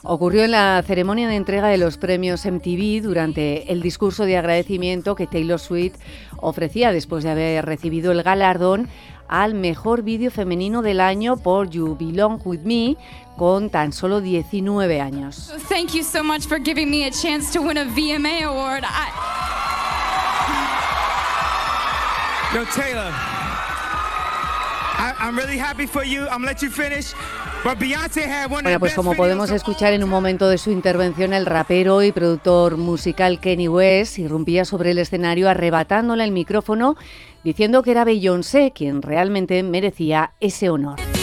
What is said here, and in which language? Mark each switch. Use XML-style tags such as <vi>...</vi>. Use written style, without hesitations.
<es>Ocurrió en la ceremonia de entrega de los premios MTV durante el discurso de agradecimiento que Taylor Swift ofrecía después de haber recibido el galardón al mejor vídeo femenino del año por You Belong With Me, con tan solo 19 años.</es> <en>Thank you so much for giving me a chance to win a VMA award. Yo, Taylor, I'm really happy for you. I'm let you finish.</en> <es>Bueno, pues como podemos escuchar en un momento de su intervención, el rapero y productor musical Kanye West irrumpía sobre el escenario arrebatándole el micrófono, diciendo que era Beyoncé quien realmente merecía ese honor.</es>